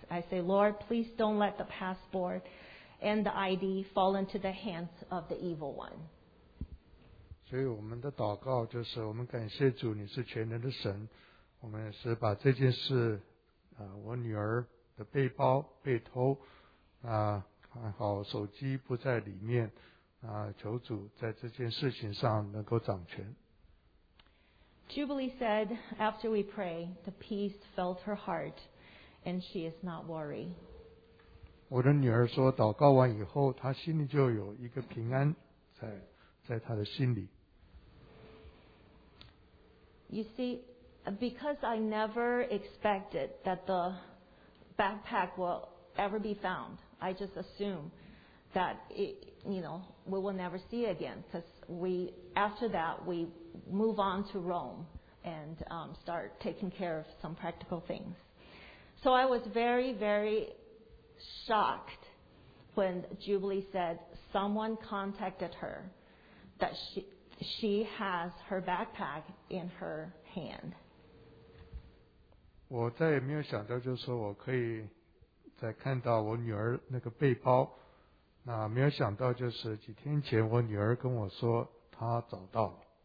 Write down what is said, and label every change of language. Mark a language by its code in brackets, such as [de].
[en] I say, Lord, please don't let the passport and the ID fall into the hands of the evil one. [zh] 所以我们的祷告就是，我们感谢主，你是全能的神。我们是把这件事，我女儿的背包被偷，还好手机不在里面，求主在这件事情上能够掌权。 [en] Jubilee said, after we pray, the peace filled her heart, and she is not worried. [zh] 我的女儿说祷告完以后她心里就有一个平安 在她的心里。 [en] You see, because I never expected that the backpack will ever be found, I just assume that it, you know, we will never see it again. Because we, after that, we move on to Rome and start taking care of some practical things. So I was very, very shocked when Jubilee said someone contacted her that she has her backpack in her hand. [zh] 我再也没有想到就是说我可以再看到我女儿那个背包，那没有想到就是几天前我女儿跟我说她找到了。